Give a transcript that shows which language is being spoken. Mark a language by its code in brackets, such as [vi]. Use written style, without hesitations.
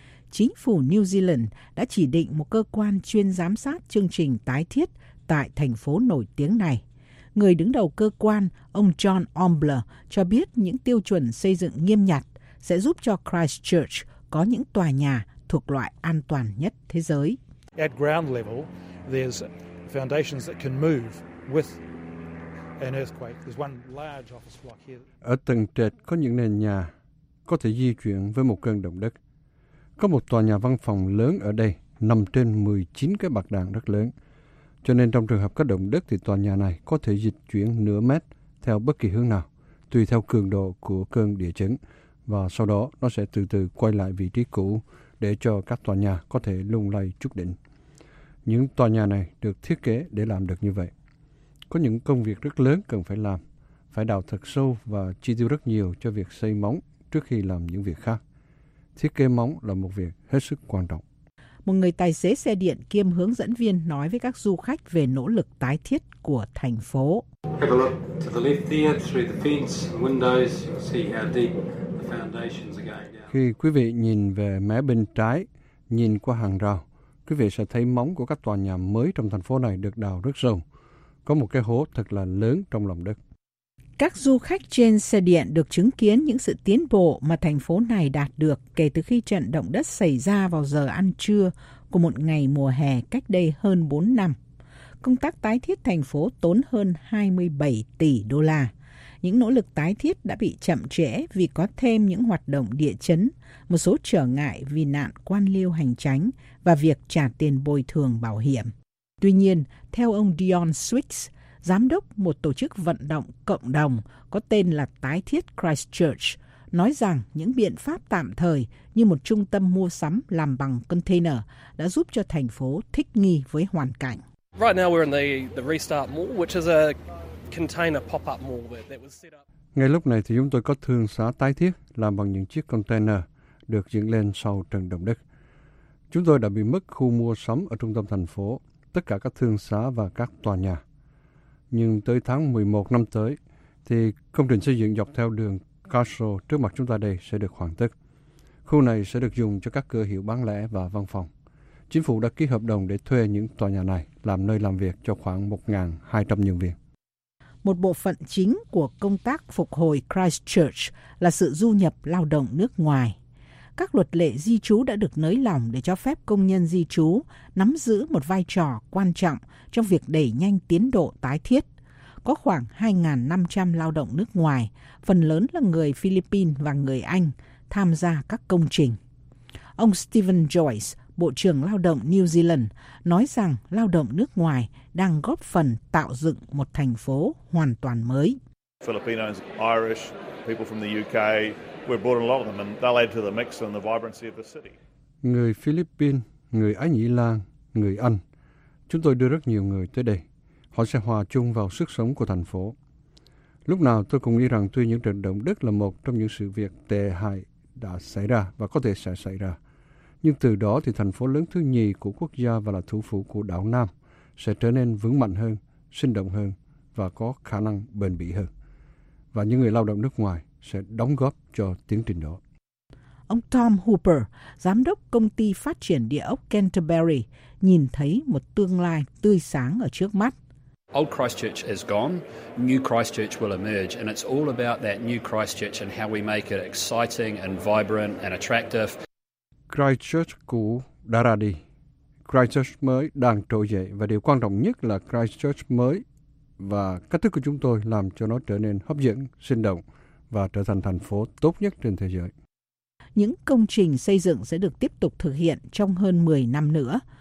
[vi] Chính phủ New Zealand đã chỉ định một cơ quan chuyên giám sát chương trình tái thiết tại thành phố nổi tiếng này. Người đứng đầu cơ quan, ông John Ombler, cho biết những tiêu chuẩn xây dựng nghiêm ngặt sẽ giúp cho Christchurch có những tòa nhà thuộc loại an toàn nhất thế giới. [en] At ground level, there's foundations that can move with an earthquake. There's one large office block here. [vi] Ở tầng trệt có những nền nhà có thể di chuyển với một cơn động đất. Có một tòa nhà văn phòng lớn ở đây nằm trên 19 cái bậc đàn rất lớn. Cho nên trong trường hợp có động đất thì tòa nhà này có thể dịch chuyển nửa mét theo bất kỳ hướng nào, tùy theo cường độ của cơn địa chấn. Và sau đó nó sẽ từ từ quay lại vị trí cũ, để cho các tòa nhà có thể lung lay chút đỉnh. Những tòa nhà này được thiết kế để làm được như vậy. Có những công việc rất lớn cần phải làm, phải đào thật sâu và chi tiêu rất nhiều cho việc xây móng trước khi làm những việc khác. Thiết kế móng là một việc hết sức quan trọng. Một người tài xế xe điện kiêm hướng dẫn viên nói với các du khách về nỗ lực tái thiết của thành phố. [en] Have a look to the left there, through the fence and windows, you'll see how deep the foundations are going. [vi] Khi quý vị nhìn về mé bên trái, nhìn qua hàng rào, quý vị sẽ thấy móng của các tòa nhà mới trong thành phố này được đào rất sâu. Có một cái hố thật là lớn trong lòng đất. Các du khách trên xe điện được chứng kiến những sự tiến bộ mà thành phố này đạt được kể từ khi trận động đất xảy ra vào giờ ăn trưa của một ngày mùa hè cách đây hơn 4 năm. Công tác tái thiết thành phố tốn hơn 27 tỷ đô la. Những nỗ lực tái thiết đã bị chậm trễ vì có thêm những hoạt động địa chấn, một số trở ngại vì nạn quan liêu hành chánh và việc trả tiền bồi thường bảo hiểm. Tuy nhiên, theo ông Dion Swicks, giám đốc một tổ chức vận động cộng đồng có tên là Tái thiết Christchurch, nói rằng những biện pháp tạm thời như một trung tâm mua sắm làm bằng container đã giúp cho thành phố thích nghi với hoàn cảnh. [en] Right now we're in the restart mall, which is a container pop-up mall that was set up. [vi] Ngay lúc này thì chúng tôi có thương xá tái thiết làm bằng những chiếc container được dựng lên sau trận động đất. Chúng tôi đã bị mất khu mua sắm ở trung tâm thành phố, tất cả các thương xá và các tòa nhà. Nhưng tới tháng 11 năm tới thì công trình xây dựng dọc theo đường Castle trước mặt chúng ta đây sẽ được hoàn tất. Khu này sẽ được dùng cho các cửa hiệu bán lẻ và văn phòng. Chính phủ đã ký hợp đồng để thuê những tòa nhà này làm nơi làm việc cho khoảng 1.200 nhân viên. Một bộ phận chính của công tác phục hồi Christchurch là sự du nhập lao động nước ngoài. Các luật lệ di trú đã được nới lỏng để cho phép công nhân di trú nắm giữ một vai trò quan trọng trong việc đẩy nhanh tiến độ tái thiết. Có khoảng 2.500 lao động nước ngoài, phần lớn là người Philippines và người Anh, tham gia các công trình. Ông Stephen Joyce, Bộ trưởng Lao động New Zealand, nói rằng lao động nước ngoài đang góp phần tạo dựng một thành phố hoàn toàn mới. [en] Filipinos, Irish, people from the UK, we're brought in a lot of them and they'll add to the mix and the vibrancy of the city. [vi] Người Philippines, người Ái Nhĩ Lan, người Anh, chúng tôi đưa rất nhiều người tới đây. Họ sẽ hòa chung vào sức sống của thành phố. Lúc nào tôi cũng nghĩ rằng tuy những trận động đất là một trong những sự việc tệ hại đã xảy ra và có thể sẽ xảy ra, nhưng từ đó thì thành phố lớn thứ nhì của quốc gia và là thủ phủ của đảo Nam sẽ trở nên vững mạnh hơn, sinh động hơn và có khả năng bền bỉ hơn. Và những người lao động nước ngoài sẽ đóng góp cho tiến trình đó. Ông Tom Hooper, giám đốc công ty phát triển địa ốc Canterbury, nhìn thấy một tương lai tươi sáng ở trước mắt. [en] Old Christchurch is gone, new Christchurch will emerge, and it's all about that new Christchurch and how we make it exciting and vibrant and attractive. [vi] Christchurch cũ đã ra đi. Christchurch mới đang trỗi dậy và điều quan trọng nhất là Christchurch mới và cách thức của chúng tôi làm cho nó trở nên hấp dẫn, sinh động và trở thành thành phố tốt nhất trên thế giới. Những công trình xây dựng sẽ được tiếp tục thực hiện trong hơn 10 năm nữa.